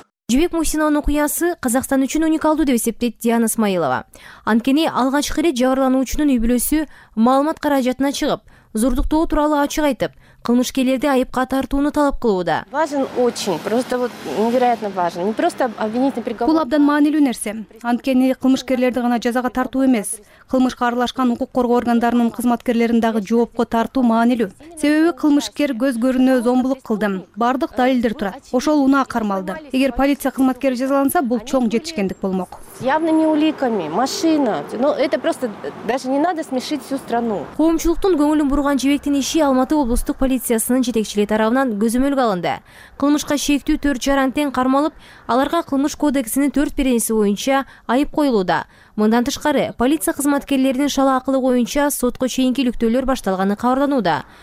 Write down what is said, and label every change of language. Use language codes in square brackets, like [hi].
[ky] Жибек Мусинонун окуясы Казакстан үчүн уникалдуу деп эсептейт Диана Смаилова. Анткени алгачкы ирет жабырлануучунун үй бүлөсү маалымат каражатына чыгып, зордуктоо тууралуу ачык айтып, кылмышкерлерди айыпка тартууну талап кылууда. [ru] Важен очень, просто вот невероятно важен. Не просто обвинительный приговор. [ky] Бул абдан маанилүү нерсе. Анткени кылмышкерлерди гана жазага тартуу эмес, кылмышка аралашкан укук коргоо органдарынын кызматкерлерин дагы жоопко тартуу маанилүү. Себеби кылмышкер көз көрүнө зомбулук кылды. Бардык далилдер турат. Ошол унаа кармалды. Эгер полиция кызматкери жазаланса, бул чоң жетишкендик болмок. [ru] Явными уликами, машина. Но это просто даже не надо смешить всю страну. [ky] Коомчулуктун көңүлүн бурган жибектин иши Алматы облустук полициясынын жетекчилиги тарабынан көзөмөлгө алынды. Кылмышка шектүү 4 жаран тең кармалып, аларга кылмыш кодексинин 4-биринчи боюнча айып коюлууда. Мындан тышкары, полиция кызматкерлеринин шала акылы боюнча сотко чейинки иликтөөлөр башталганы кабарланууда.